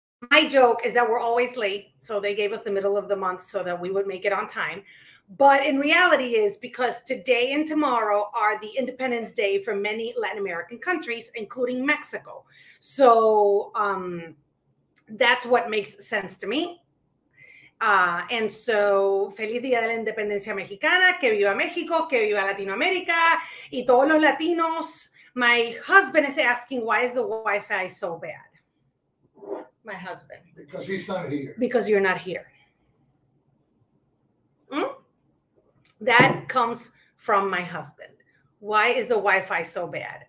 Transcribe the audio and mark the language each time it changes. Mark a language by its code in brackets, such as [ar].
[en] My joke is that we're always late. So they gave us the middle of the month so that we would make it on time. But in reality is because today and tomorrow are the Independence Day for many Latin American countries, including Mexico. So that's what makes sense to me. And so, [es] Feliz Día de la Independencia Mexicana, que viva México, que viva Latinoamérica, y todos los Latinos. [en] My husband is asking, why is the Wi-Fi so bad? My husband. Because he's not here. Because you're not here. That comes from my husband. Why is the Wi-Fi so bad?